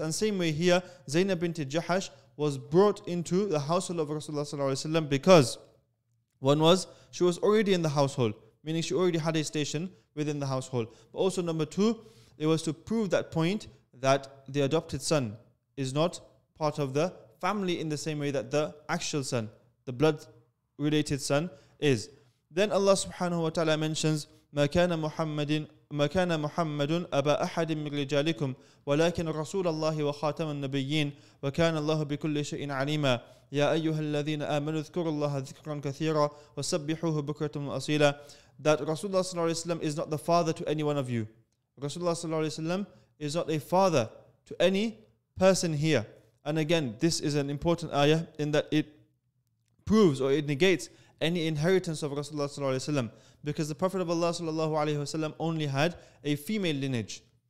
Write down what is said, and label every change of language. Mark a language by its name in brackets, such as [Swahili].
[English] And same way here, Zainab bint Jahash was brought into the household of Rasulullah ﷺ because one was, she was already in the household, meaning she already had a station within the household. But also number two, it was to prove that point that the adopted son is not part of the family in the same way that the actual son, the blood-related son, is. [Arabic] Then Allah subhanahu wa ta'ala mentions, مَكَانَ مُحَمَّدٌ أَبَا أَحَدٍ مِنْ رِجَالِكُمْ وَلَكِنْ رَسُولَ اللَّهِ وَخَاتَمَ النَّبِيِّينَ وَكَانَ اللَّهُ بِكُلِّ شَيْءٍ عَلِيمًا يَا أَيُّهَا الَّذِينَ آمَنُوا اذْكُرُوا اللَّهَ ذِكْرًا كَثِيرًا وَسَبِّحُوهُ بُكْرَةً وَأَصِيلًا. [English] That Rasulullah sallallahu alayhi wa sallam is not the father to any one of you. Rasulullah sallallahu alayhi wa sallam is not a father to any person here. And again, this is an important ayah in that it proves or it negates any inheritance of Rasulullah sallallahu alayhi wa sallam, because the Prophet of Allah sallallahu alayhi wa sallam only had a female lineage.